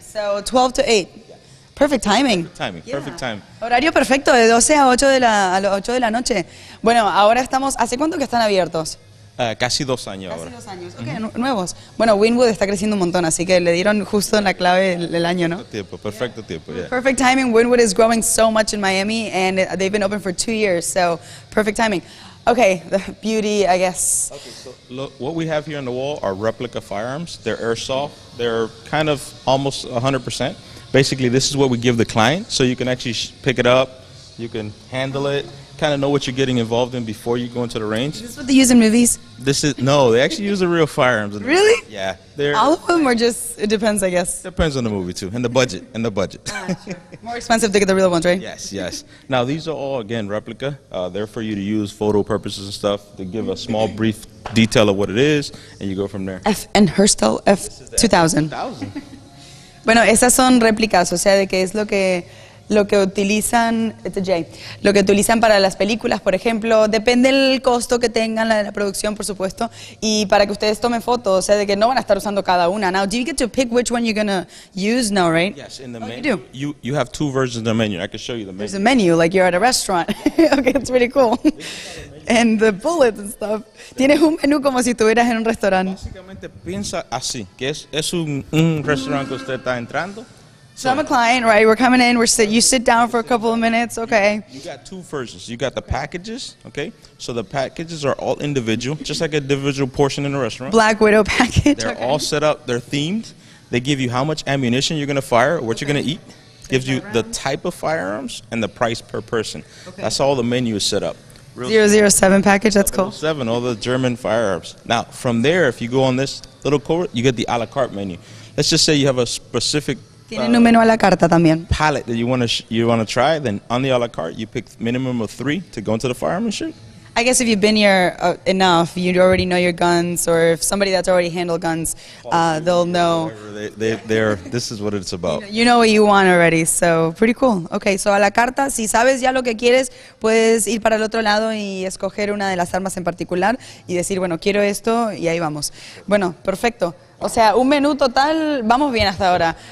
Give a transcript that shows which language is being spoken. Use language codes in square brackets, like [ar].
[en] So 12 to 8. Perfect timing. [es] Horario perfecto de 12 a 8 de la a las 8 de la noche. Bueno, ahora estamos. ¿Hace cuánto que están abiertos? Casi dos años ahora. Casi dos años. Ok, nuevos. Bueno, Wynwood está creciendo un montón, así que le dieron justo en la clave el año, ¿no? Perfecto tiempo, yeah. [en] Perfect timing. Wynwood is growing so much in Miami, and they've been open for 2 years, so perfect timing. Okay, the beauty, I guess. Okay, so look, what we have here on the wall are replica firearms. They're airsoft. They're kind of almost 100%. Basically, this is what we give the client, so you can actually pick it up, you can handle it, kind of know what you're getting involved in before you go into the range. Is this what they use in movies? No, they actually use the real firearms. Really? Yeah. All of them are just, it depends, I guess. Depends on the movie too, and the budget, Sure. More expensive to get the real ones, right? Yes, yes. Now these are all, again, replica. They're for you to use photo purposes and stuff. They give a small brief detail of what it is, and you go from there. F.N. Herstal F2000. [es] Bueno, esas son replicas, o sea, de que es lo que... Lo que utilizan, it's a J, lo que utilizan para las películas, por ejemplo, depende del costo que tengan la de la producción, por supuesto, y para que ustedes tomen fotos, o sea, de que no van a estar usando cada una. [en] Now, do you get to pick which one you're going to use now, right? Yes, in the menu. You have two versions of the menu. I can show you the menu. There's a menu, like you're at a restaurant. Okay, that's pretty cool. And the bullets and stuff. [es] Tienes un menú como si estuvieras en un restaurante. Básicamente piensa así, que es un restaurante que usted está entrando. [en] So I'm a client, right? We're coming in. You sit down for a couple of minutes. Okay. You got two versions. You got the packages. Okay. So the packages are all individual, just like a individual portion in a restaurant. Black Widow package. They're all set up. They're themed. They give you how much ammunition you're going to fire, what you're going to eat. Gives you the type of firearms and the price per person. Okay. That's all the menu is set up. 007 package. That's cool. 007, all the German firearms. Now, from there, if you go on this little court, you get the a la carte menu. Let's just say you have a specific... [es] Tienen un menú a la carta también. [en] Palette that you want to try, then on the a la carte, you pick minimum of three to go into the firearm and shoot. I guess if you've been here enough, you already know your guns, or if somebody that's already handled guns, they'll know. This is what it's about. You know what you want already, so pretty cool. [es] Okay, so a la carta, si sabes ya lo que quieres, puedes ir para el otro lado y escoger una de las armas en particular y decir, bueno, quiero esto, y ahí vamos. Bueno, perfecto. O sea, un menú total, vamos bien hasta ahora.